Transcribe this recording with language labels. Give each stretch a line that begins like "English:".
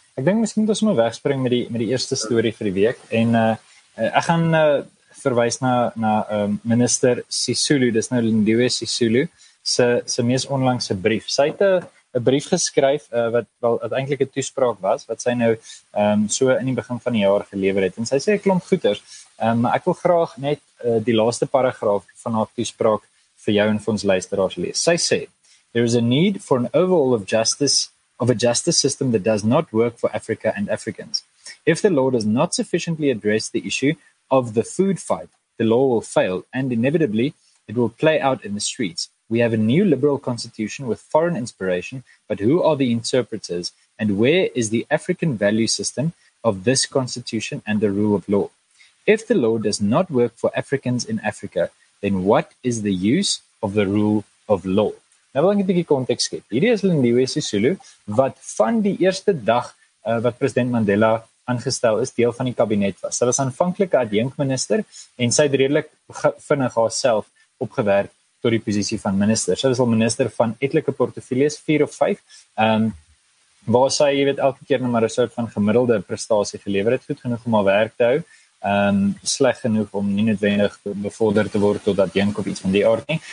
Afrikaans: Ek dink miskien dat ons maar wegspring met die eerste story vir die week en ek gaan verwys na minister Sisulu, dis nou Lindiwe Sisulu, se mees onlangse brief. Sy het 'n brief geskryf wat eintlik 'n toespraak was, wat sy nou so in die begin van die jaar gelewer het. En sy sê 'n klomp goeters, maar ek wil graag net die laaste paragraaf van haar toespraak vir jou en vir ons luisteraars lees.
English: Sy sê, "There is a need for an overhaul of justice, of a justice system that does not work for Africa and Africans. If the law does not sufficiently address the issue of the food fight, the law will fail, and inevitably it will play out in the streets. We have a new liberal constitution with foreign inspiration, but who are the interpreters, and where is the African value system of this constitution and the rule of law? If the law does not work for Africans in Africa, then what is the use of the rule of law?"
Afrikaans: Nou wil ek 'n bietjie konteks skep. Hierdie is Lindiwe Sisulu, wat van die eerste dag wat president Mandela aangestel is, deel van die kabinet was. Sy was aanvanklike adjunkminister en sy het redelik vinnig haarself opgewerk tot die posisie van minister. Sy was al minister van etlike portefeuilles, 4 of 5, waar sy, jy weet, elke keer nou maar 'n soort van gemiddelde prestasie gelewer het, goed genoeg om haar werk te hou, sleg genoeg om nie noodwendig bevorder te word tot adjunk of iets van die aard nie.